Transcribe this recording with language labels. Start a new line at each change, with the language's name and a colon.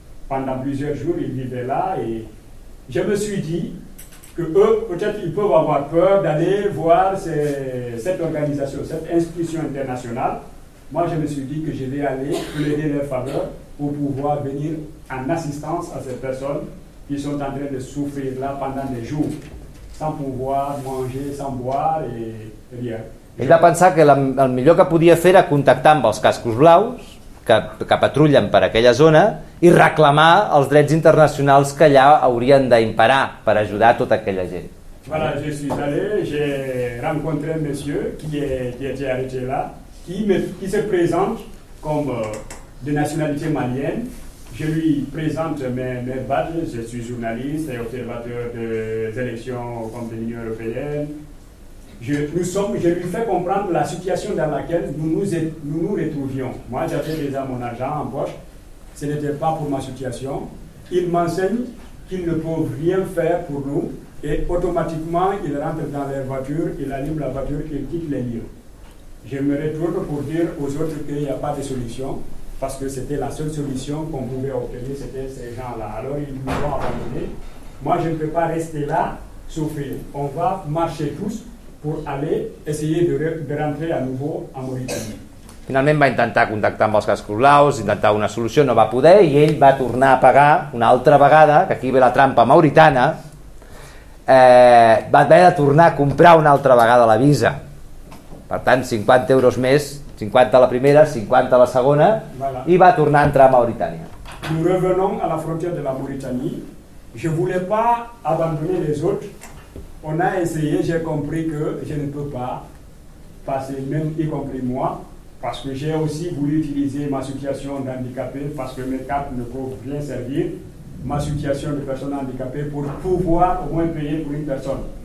French: Pendant plusieurs jours, ils vivaient là, et je me suis dit que eux, peut-être ils peuvent avoir peur d'aller voir cette organisation, cette institution internationale. Moi, je me suis dit que je vais aller plaider leur faveur pour pouvoir venir en assistance à ces personnes qui sont en train de souffrir là pendant des jours, sans pouvoir manger, sans boire et rien.
Catalan: Ell va pensar que el millor que podia fer era contactar amb els cascos blaus, que patrullen per aquella zona, i reclamar els drets internacionals que allà haurien d'imperar per ajudar tota aquella gent.
French: Voilà, je suis allé, j'ai rencontré un monsieur qui était arrêté là, qui se présente comme de nationalité malienne. Je lui présente mes badges, je suis journaliste et observateur des élections au compte de l'Union Européenne. Je lui fais comprendre la situation dans laquelle nous nous retrouvions. Moi, j'avais déjà mon argent en poche, ce n'était pas pour ma situation. Il m'enseigne qu'ils ne peuvent rien faire pour nous et automatiquement, ils rentrent dans leur voiture, ils allument la voiture et ils quittent les lieux. Je me retourne pour dire aux autres qu'il n'y a pas de solution parce que c'était la seule solution qu'on pouvait obtenir, c'était ces gens-là. Alors, ils nous ont abandonnés. Moi, je ne peux pas rester là, souffrir. On va marcher tous pour aller essayer de rentrer à nouveau en Mauritanie.
Catalan: Finalment va intentar contactar amb els cascos blaus, intentar una solució, no va poder, i ell va tornar a pagar una altra vegada, que aquí ve la trampa mauritana, va haver de tornar a comprar una altra vegada la visa. Per tant, 50 euros més, 50 a la primera, 50 a la segona,
French: voilà.
Catalan: I va tornar a entrar a Mauritània.
French: Nous revenons à la frontière de la Mauritanie. Je voulais pas abandonner les autres. On a essayé, j'ai compris que je ne peux pas passer, même y compris moi, parce que j'ai aussi voulu utiliser ma situation d'handicapé, parce que mes cartes ne peuvent rien servir, ma situation de personne handicapée, pour pouvoir au moins payer pour une personne.